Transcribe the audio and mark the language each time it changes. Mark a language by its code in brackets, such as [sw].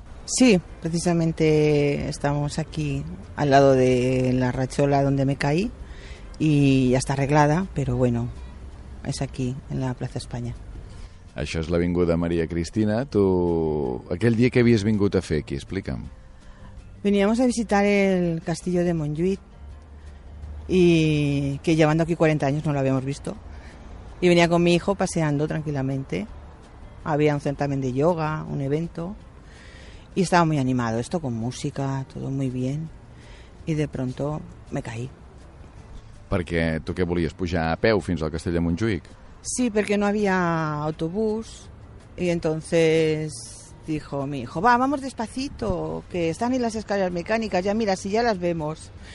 [es] Sí, precisamente estamos aquí al lado de la rachola donde me caí y ya está arreglada, pero bueno, es aquí, en la Plaza España. [ca] Això és l'Avinguda Maria Cristina. Tu, aquell dia que havies vingut a fer aquí, explica'm. [es] Veníamos a visitar el castillo de Montjuïc y que llevando aquí 40 años no lo habíamos visto. Y venía con mi hijo paseando tranquilamente. Había un certamen de yoga, un evento, y estaba muy animado, esto con música, todo muy bien, y de pronto me caí. [ca] Perquè tu què volies, pujar a peu fins al castell de Montjuïc? [es] Sí, porque no había autobús, y entonces dijo mi hijo, va, vamos despacito, que están en las escaleras mecánicas, ya mira, si ya las vemos.